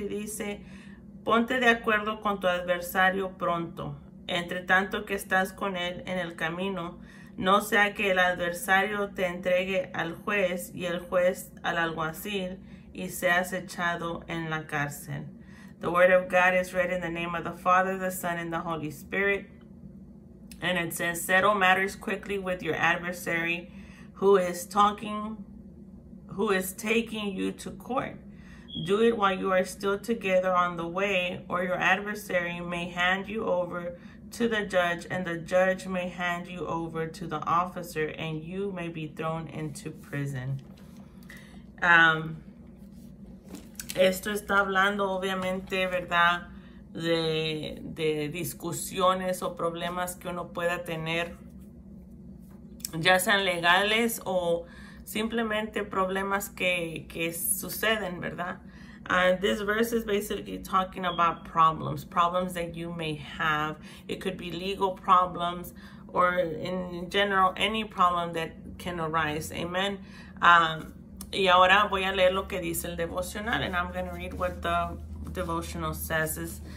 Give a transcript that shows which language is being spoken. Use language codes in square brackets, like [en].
[es] Y dice, ponte de acuerdo con tu adversario pronto. Entre tanto que estás con él en el camino, no sea que el adversario te entregue al juez y el juez al alguacil y seas echado en la cárcel. [en] The word of God is read in the name of the Father, the Son, and the Holy Spirit. And it says, settle matters quickly with your adversary who is taking you to court. Do it while you are still together on the way, or your adversary may hand you over to the judge, and the judge may hand you over to the officer, and you may be thrown into prison. [es] Esto está hablando, obviamente, ¿verdad?, de discusiones o problemas que uno pueda tener, ya sean legales o simplemente problemas que suceden, ¿verdad? [en] This verse is basically talking about problems, problems that you may have. It could be legal problems or in general, any problem that can arise. Amen. [es] Y ahora voy a leer lo que dice el devocional, [en] and I'm going to read what the devotional says.